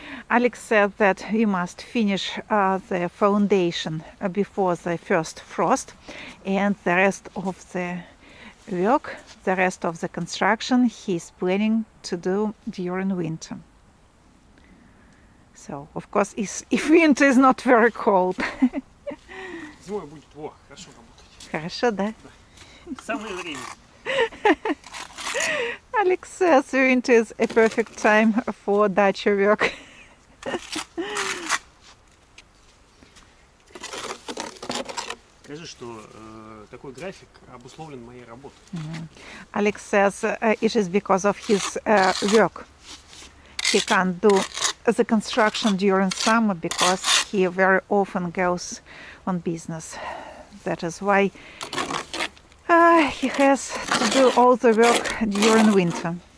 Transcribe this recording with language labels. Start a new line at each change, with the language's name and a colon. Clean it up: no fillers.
English: Alex said that we must finish the foundation before the first frost, and the rest of the work, the rest of the construction, he is planning to do during winter. So, of course, if winter is not very cold.
Russian: Зимой будет хорошо работать. Хорошо, да? Самое время.
English: Alex says winter is a perfect time for dacha work. Ok.
Russian: скажи, что такой график обусловлен моей работой. Mm-hmm.
English: Alex says it is because of his work. He can't do the construction during summer because he very often goes on business. That is why he has to do all the work during winter.